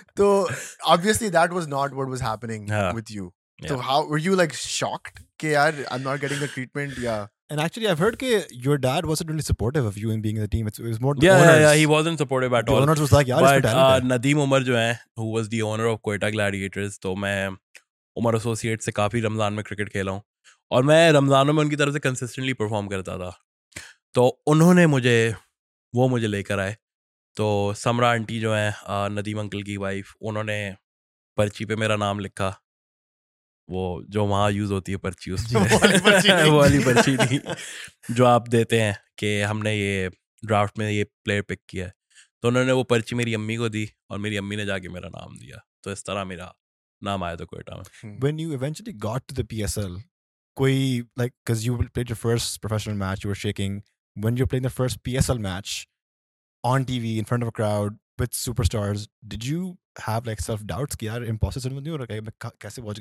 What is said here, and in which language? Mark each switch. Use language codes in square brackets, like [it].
[en] तो obviously that was not what was happening with you तो how were you like shocked के यार I am not getting the treatment या And actually, I've heard that your dad wasn't really supportive of you in being in the team. It was more Yeah, he wasn't supportive at all. The owners was like, yeah, but Nadeem Umar, who was the owner of Quetta Gladiators, so I Umar Associates [hi] se kafi Ramzan mein cricket khela hu. Aur main Ramzanon mein unki taraf se consistently perform karta tha. To unhone mujhe, wo mujhe lekar aaye. To Samra aunty jo hai, Nadeem uncle ki wife, unhone parchi pe mera naam likha. वो जो वहाँ use होती है पर्ची उसकी वाली पर्ची थी जो आप देते हैं कि हमने ये ड्राफ्ट में ये प्लेयर पिक किया है तो उन्होंने वो पर्ची मेरी अम्मी को दी और मेरी अम्मी ने जाके मेरा नाम दिया तो इस तरह मेरा नाम आया था क्वेटा में [en] When you eventually got to the PSL कोई like because you played your first professional match you were shaking when you're playing the first PSL match on TV in front of a crowd with superstars did you have like self doubts [hi] ki yaar imposter syndrome nahi ho raha hai main kaise [en] watch